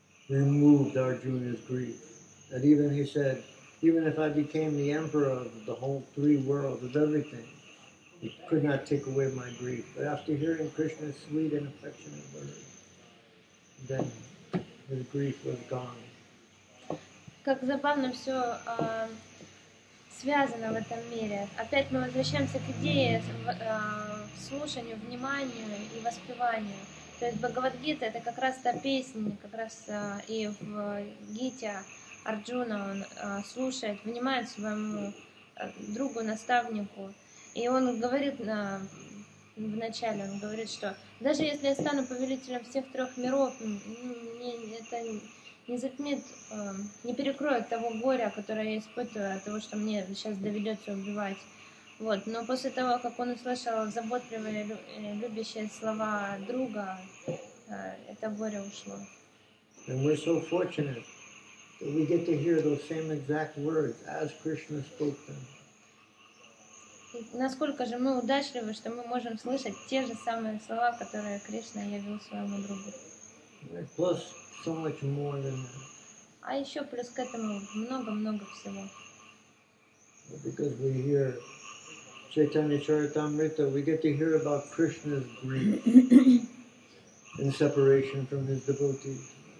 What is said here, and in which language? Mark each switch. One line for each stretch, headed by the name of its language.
English: They moved Arjuna's grief. That even he said, even if I became the emperor of the whole three worlds, of everything, it could not take away my grief. But after hearing Krishna's sweet and affectionate words, then his grief was gone.
Russian: Как забавно все связано в этом мире. Опять мы возвращаемся к идее слушанию, вниманию и воспеванию. То есть Бхагавад-гита это как раз та песня, как раз и в Гите Арджуна он слушает, внимает своему другу, наставнику. И он говорит вначале, он говорит, что даже если я стану повелителем всех трех миров, мне это не затмит, не перекроет того горя, которое я испытываю от того, что мне сейчас доведется убивать. Вот. Но после того, как он услышал заботливые, любящие слова друга, это горе ушло.
English: And we're so fortunate that we get to hear those same exact words as Krishna spoke them.
Russian: Насколько же мы удачливы, что мы можем слышать те же самые слова, которые Кришна явил своему другу.
English: Plus so much more than that.
Russian: А еще плюс к этому много-много всего.
English: Because we hear Chaitanya Charitamrita, we get to hear about Krishna's grief and separation from his devotees.